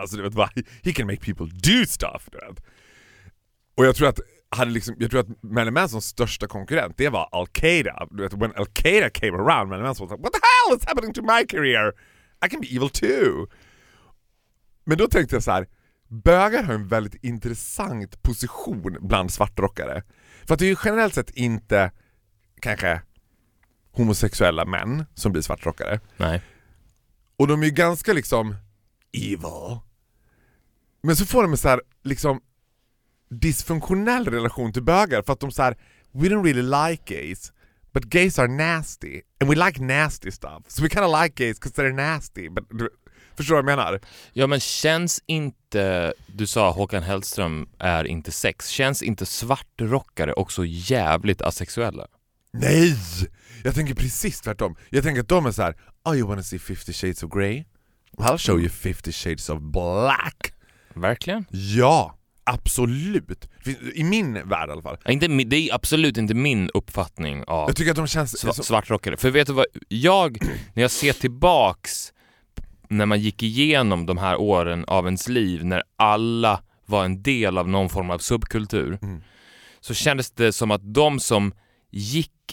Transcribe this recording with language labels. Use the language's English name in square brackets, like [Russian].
[Swedish] Alltså, du vet, [English] he can make people do stuff. [Swedish] Du vet. Och jag tror att hade liksom, jag tror att Marilyn Mansons största konkurrent, det var Al-Qaeda. Du vet, [English] when Al-Qaeda came around, Marilyn Manson was like, what the hell is happening to my career? I can be evil too. [Swedish] Men då tänkte jag så här, bögar har en väldigt intressant position bland svartrockare. För att det är ju generellt sett inte kanske homosexuella män som blir svartrockare. Nej. Och de är ju ganska liksom evil. Men så får de en så här liksom dysfunktionell relation till bögar, för att de så här, [English] we don't really like gays, but gays are nasty and we like nasty stuff. So we kind of like gays because they're nasty. [Swedish] But, förstår du vad jag menar? Ja, men känns inte, du sa Håkan Hellström är inte sex, känns inte svartrockare också jävligt asexuella? Nej! Jag tänker precis tvärtom. Jag tänker att de är så här, [English] oh, you wanna see 50 shades of grey? I'll show you 50 shades of black. [Swedish] Verkligen? Ja, absolut. I min värld i alla fall. Inte, det är absolut inte min uppfattning av, jag tycker att de känns svartrockare. För vet du vad, jag, när jag ser tillbaks när man gick igenom de här åren av ens liv, när alla var en del av någon form av subkultur, så kändes det som att de som gick